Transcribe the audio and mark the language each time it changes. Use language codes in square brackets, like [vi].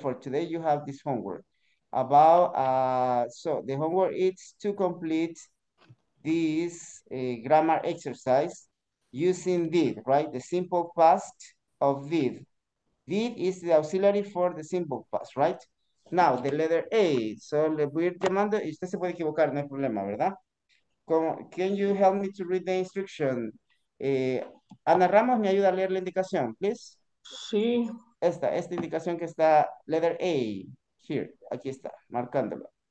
[en] For today you have this homework about so the homework is to complete this grammar exercise using did, right? The simple past of did. Did is the auxiliary for the simple past, right? Now, the letter A. [es] So, le voy a ir llamando y usted se puede equivocar, no hay problema, ¿verdad? [en] Can you help me to read the instruction? [es] Ana Ramos, ¿me ayuda a leer la indicación, please? Sí. Esta indicación que está, letter A, here, aquí está, marcándolo.